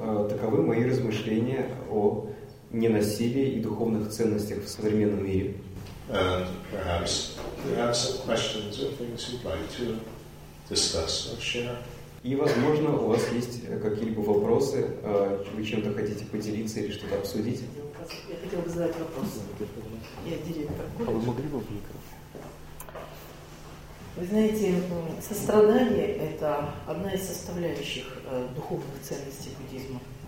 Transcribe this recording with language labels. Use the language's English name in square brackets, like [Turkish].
[Russian] Таковы мои размышления о ненасилии и духовных ценностях в современном мире. [English] And perhaps you have some questions or things you'd like to discuss or share. [Russian] И, возможно, у вас есть какие-либо вопросы, вы чем-то хотите поделиться или что-то обсудить? Я хотела бы задать вопрос. Я директор. А вы могли бы в микро? Вы знаете, сострадание – это одна из составляющих духовных ценностей буддизма.